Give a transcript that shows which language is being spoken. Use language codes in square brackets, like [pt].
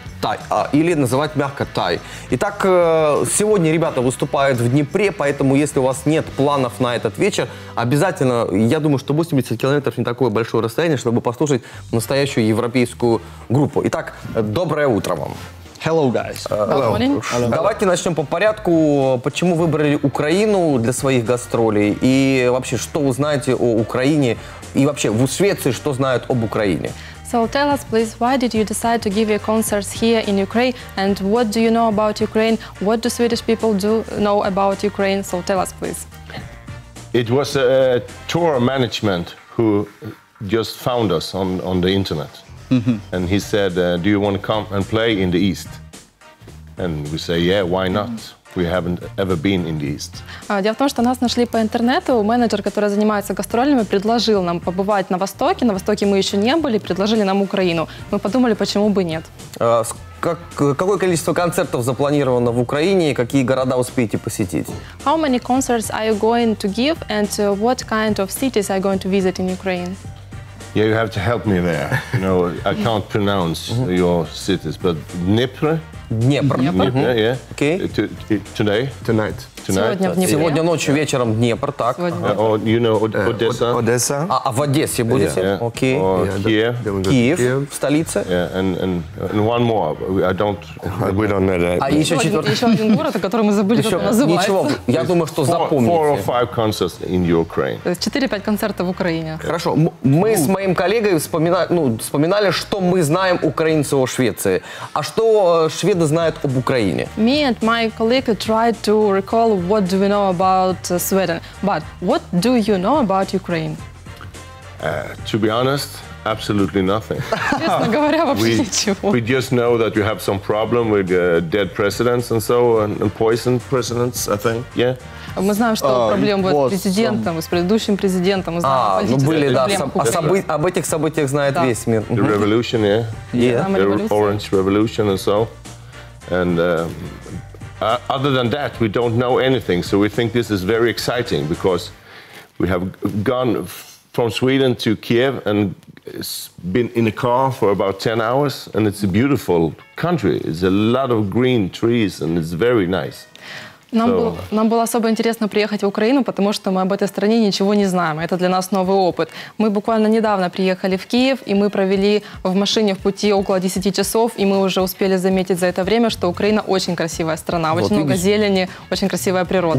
[ru] Тай, или называть мягко тай. Итак, сегодня ребята выступают в Днепре, поэтому если у вас нет планов на этот вечер, обязательно, я думаю, что 80 километров не такое большое расстояние, чтобы послушать настоящую европейскую группу. Итак, доброе утро вам. [en] Hello, guys. Hello. [ru] Давайте начнем по порядку. Почему выбрали Украину для своих гастролей? И вообще, что вы знаете о Украине? И вообще, в Швеции что знают об Украине? [en] So tell us, please, why did you decide to give your concerts here in Ukraine, and what do you know about Ukraine? What do Swedish people do know about Ukraine? So tell us, please. It was a tour management who just found us on the internet, and he said, "Do you want to come and play in the East?" And we say, "Yeah, why not?" We haven't ever been in the East. [ru] Дело в том, что нас нашли по интернету. Менеджер, который занимается гастролями, предложил нам побывать на Востоке. На Востоке мы еще не были, предложили нам Украину. Мы подумали, почему бы нет. Какое количество концертов запланировано в Украине и какие города успеете посетить? [en] How many concerts are you going to give and what kind of cities are you going to visit in Ukraine? Yeah, you have to help me there. You know, I can't pronounce your cities, but Dnipro. [ru] Днепр. [en] Yeah, yeah. Okay. Today? Tonight. Tonight. [ru] Сегодня ночью, вечером Днепр, так. [en] You know, Odessa. Odessa. [ru] А в Одессе будете? [en] Yeah, yeah. Okay. [ru] Киев, в столице. [en] Yeah, and one more. I don't... We don't know that. [ru] А еще четвертый. Еще один город, о котором мы забыли, как называется. Ничего, я думаю, что запомните. [en] Four or five concerts in Ukraine. [ru] 4-5 концертов в Украине. Хорошо. Мы с моим коллегой вспоминали, что мы знаем украинцы о Швеции. А что шведы знают об Украине? [en] Me and my colleague tried to recall what do we know about Sweden, but what do you know about Ukraine? To be honest, absolutely nothing. we just know that you have some problem with dead presidents and so, and poisoned presidents, I think, yeah. [ru] Мы знаем, что проблем будет с президентом, с предыдущим президентом. Мы знаем, об этих событиях знает весь мир. [en] The revolution, yeah. Yeah. The orange revolution and so. And, other than that, we don't know anything, so we think this is very exciting because we have gone from Sweden to Kiev and been in a car for about 10 hours, and it's a beautiful country. It's a lot of green trees, and it's very nice. [ru] Нам было особо интересно приехать в Украину, потому что мы об этой стране ничего не знаем. Это для нас новый опыт. Мы буквально недавно приехали в Киев, и мы провели в машине в пути около 10 часов, и мы уже успели заметить за это время, что Украина очень красивая страна. Очень много зелени, очень красивая природа.